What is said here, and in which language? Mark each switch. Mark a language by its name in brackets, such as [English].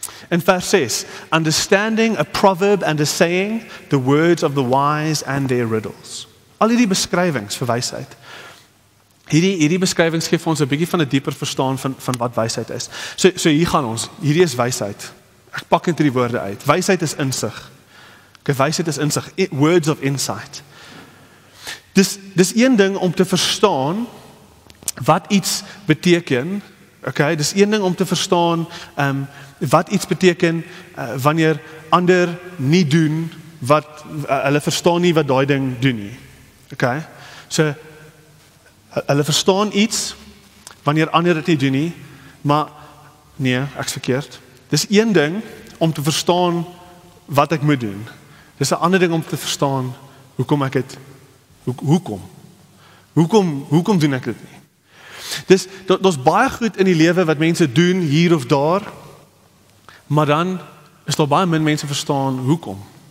[Afrikaans] In vers 6, [English] understanding a proverb and a saying, the words of the wise and their riddles. [Afrikaans] Al hierdie beskrywings vir wysheid. Hierdie beskrywings gee vir ons 'n bietjie van 'n dieper verstaan van wat wysheid is. So hier gaan ons, hierdie is wysheid. Ek pak net hierdie woorde uit. Wysheid is insig. Wysheid is insig, [English] words of insight. [Afrikaans] Dis een ding om te verstaan wat iets beteken, okay, dis een ding om te verstaan wat iets beteken wanneer ander nie doen wat hulle verstaan nie wat daai ding doen nie. Okay, so hulle verstaan iets wanneer ander dit nie doen nie, maar nee, ek's verkeerd. Dis een ding om te verstaan wat ek moet doen. Dis 'n ander ding om te verstaan hoekom ek dit hoekom? Hoekom doen ek dit nie? Dis daar's baie goed in die lewe wat mense doen hier of daar, maar dan is daar baie min mense verstaan hoekom.